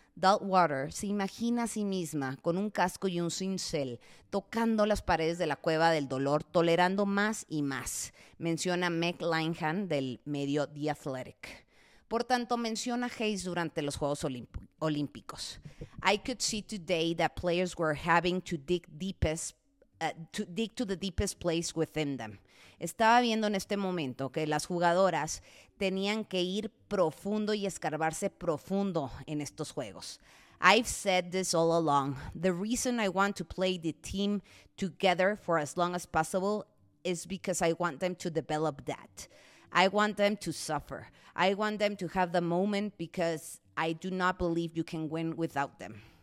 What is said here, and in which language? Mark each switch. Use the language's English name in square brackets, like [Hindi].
[Spanish] Doubtwater se imagina a sí misma con un casco y un cincel, tocando las paredes de la cueva del dolor, tolerando más y más, menciona Meg Linehan del medio The Athletic. Por tanto, menciona Hayes durante los Juegos Olímpicos. [English] I could see today that players were having to dig deepest, to the deepest place within them. [Spanish] Estaba viendo en este momento que las jugadoras tenían que ir profundo y escarbarse profundo en estos juegos. [English] I've said this all along. The reason I want to play the team together for as long as possible is because I want them to develop that. I want them to suffer. I want them to have the moment because I do not believe you can win without them.